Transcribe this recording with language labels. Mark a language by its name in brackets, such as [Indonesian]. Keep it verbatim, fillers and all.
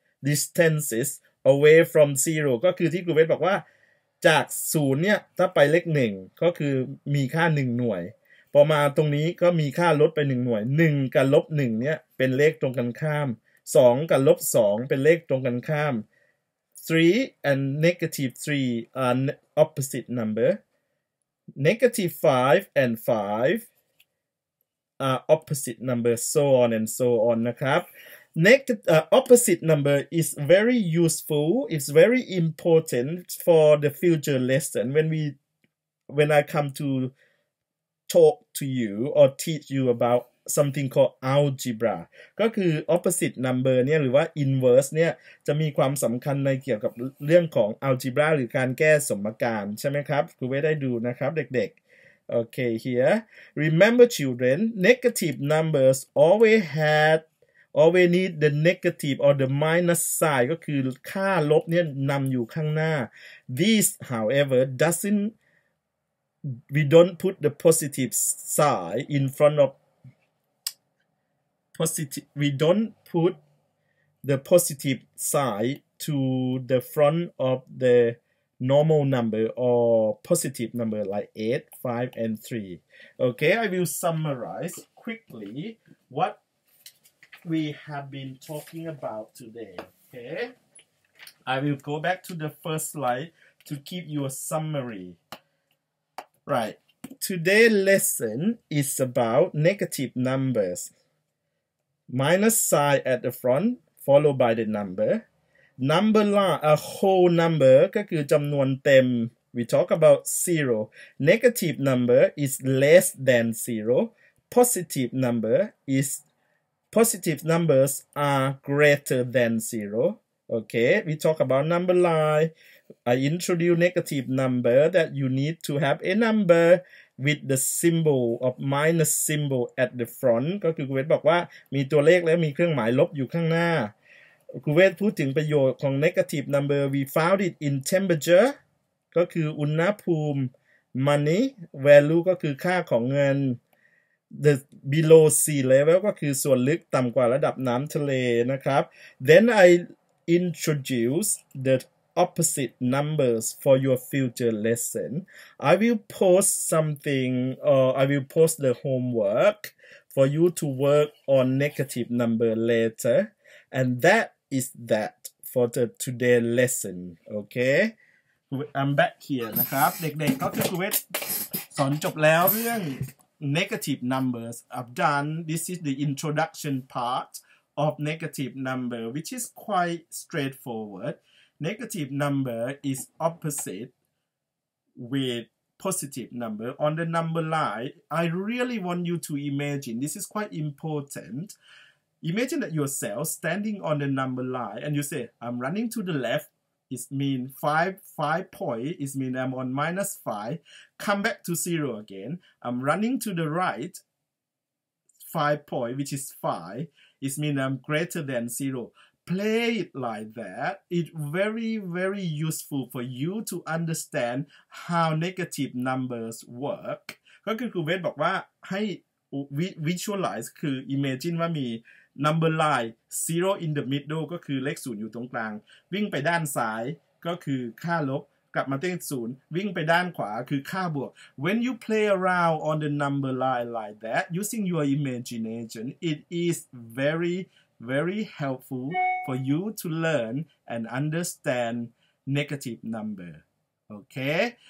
[English] distances away from zero [Thai] ก็คือที่ครูเวทบอกว่าจากศูนย์เนี่ยถ้าไปเลขหนึ่งก็คือมีค่าหนึ่งหน่วยพอมาตรงนี้ก็มีค่าลดไปหนึ่งหน่วยหนึ่งกับ ลบหนึ่ง เนี่ยเป็นเลขตรงกันข้ามสองกับ ลบสอง เป็นเลขตรงกันข้าม [English] three and negative three are opposite number. Negative five and five are opposite numbers, so on and so on. นะครับ Neg- uh, opposite number is very useful. It's very important for the future lesson. When we, when I come to talk to you or teach you about something called algebra [Thai] ก็คือ [English] opposite number [Thai] เนี่ยหรือว่า inverse เนี่ยจะมีความสำคัญในเกี่ยวกับเรื่องของ algebra หรือการแก้สมการใช่ไหมครับครูเวทได้ดูนะครับเด็กๆ [English] Okay here remember children negative numbers always had always need the negative or the minus sign [Thai] ก็คือค่าลบเนี่ยนำอยู่ข้างหน้า [English] This however doesn't we don't put the positive side in front of positive we don't put the positive side to the front of the normal number or positive number like eight, five, and three. Okay, I will summarize quickly what we have been talking about today. Okay, I will go back to the first slide to keep you a summary. Right, today's lesson is about negative numbers. Minus sign at the front followed by the number. Number line, a whole number [Thai] ก็คือจำนวนเต็ม [English] we talk about zero. Negative number is less than zero. Positive number is positive numbers are greater than zero. Okay, we talk about number line. I introduce negative number that you need to have a number with the symbol of minus symbol at the front [Thai] ก็คือคุณเวทบอกว่ามีตัวเลขแล้วมีเครื่องหมายลบอยู่ข้างหน้าคุณเวทพูดถึงประโยชน์ของ [English] negative number we found it in temperature [Thai] ก็คืออุณหภูมิ [English] money value [Thai] ก็คือค่าของเงิน [English] the below sea level [Thai] ก็คือส่วนลึกต่ำกว่าระดับน้ำทะเลนะครับ [English] then I introduce the opposite numbers for your future lesson. I will post something or I will post the homework for you to work on negative number later. And that is that for the today lesson. Okay, I'm back here [Thai] นะครับเด็กๆก็คือครูเวทสอนจบแล้วเรื่อง [English] negative numbers. I've done this is the introduction part of negative number, which is quite straightforward. Negative number is opposite with positive number on the number line. I really want you to imagine this is quite important. Imagine that yourself standing on the number line and you say, I'm running to the left. It means five, five point. It means I'm on minus five. Come back to zero again. I'm running to the right. Five point, which is five. It means I'm greater than zero. Play it like that. It's very, very useful for you to understand how negative numbers work. [Thai] ก็คือครูเวทบอกว่าให้ [English] visualize คือ imagine ว่ามีnumber line zero in the middle [Thai] ก็คือเลขศูนย์อยู่ตรงกลางวิ่งไปด้านซ้ายก็คือค่าลบกลับมาที่ศูนย์วิ่งไปด้านขวาคือค่าบวก [English] when you play around on the number line like that using your imagination it is very very helpful for you to learn and understand negative number okay